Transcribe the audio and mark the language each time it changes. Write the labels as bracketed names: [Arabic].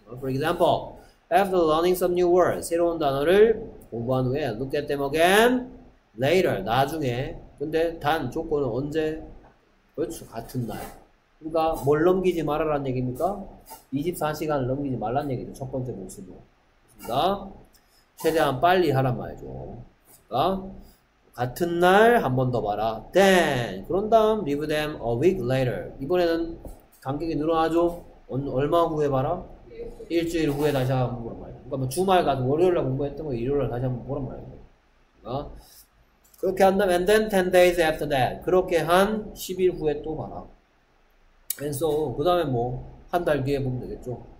[English] For example, after learning some new words, [Korean] 새로운 단어를 공부한 후에 [English] look at them again later, [Korean] 나중에. 근데 단 조건은 언제? 그렇죠, 같은 날. 그러니까 뭘 넘기지 말아라는 얘기입니까? 24시간을 넘기지 말라는 얘기죠, 첫 번째 모습으로. 최대한 빨리 하란 말이죠. 같은 날한번더 봐라. [English] Then [Korean] 그런 다음 [English] leave them a week later. [Korean] 이번에는 간격이 늘어나죠. 얼마 후에 봐라? 일주일 후에 다시 한번 보란 말이야. 그러니까 뭐 주말 가서 월요일 날 공부했던 거 일요일 날 다시 한번 보란 말이야. 그렇게 한 다음 [English] and then 10 days after that. [Korean] 그렇게 한 10일 후에 또 봐라. [English] And so [Korean] 그 다음에 뭐한달 뒤에 보면 되겠죠.